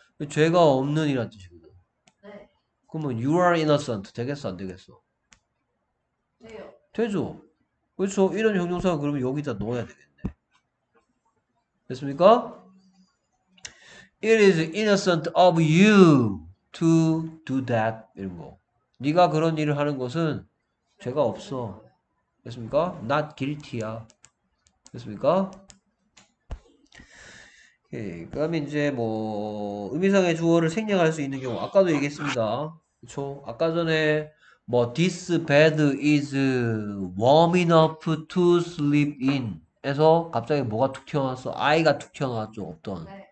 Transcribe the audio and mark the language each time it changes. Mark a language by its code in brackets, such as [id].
[ko] 죄가 없는 이란 뜻이거든. 그러면 [en] you are innocent [ko] 되겠어 안 되겠어? 되죠. 그렇죠. 이런 형용사가 그러면 여기다 넣어야 되겠네. 됐습니까? [en] It is innocent of you to do that 이런 거. [ko] 네가 그런 일을 하는 것은 죄가 없어. 됐습니까? [en] Not guilty [ko] 야. 됐습니까? 예, 그다음에 이제 뭐 의미상의 주어를 생략할 수 있는 경우 아까도 얘기했습니다. 그렇죠? 아까 전에 뭐 [en] this bed is warm enough to sleep in [ko] 에서 갑자기 뭐가 툭 튀어나왔어? I가 툭 튀어나왔죠. 어떤.